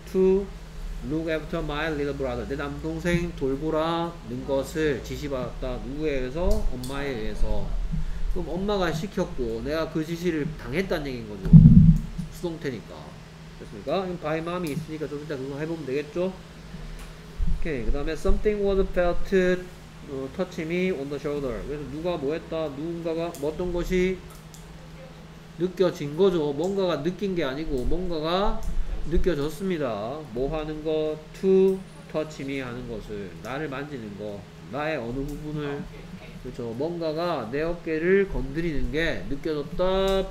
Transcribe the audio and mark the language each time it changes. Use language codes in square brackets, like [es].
[en] To look after my little brother. [ko] 내 남동생 돌보라는 것을 지시받았다. 누구에 의해서? 엄마에 의해서. 그럼 엄마가 시켰고 내가 그 지시를 당했다는 얘기인 거죠. 수동태니까. 됐습니까? 바이 마음이 있으니까 좀 이따 그거 해보면 되겠죠? 오케이. [en] 그 다음에 something was felt touch me on the shoulder. [ko] 그래서 누가 뭐 했다? 누군가가 뭐 어떤 것이? 느껴진 거죠. 뭔가가 느낀 게 아니고 뭔가가 느껴졌습니다. 뭐 하는 거? [en] To touch me [ko] 하는 것을. 나를 만지는 거. 나의 어느 부분을. 그렇죠. 뭔가가 내 어깨를 건드리는 게 느껴졌다.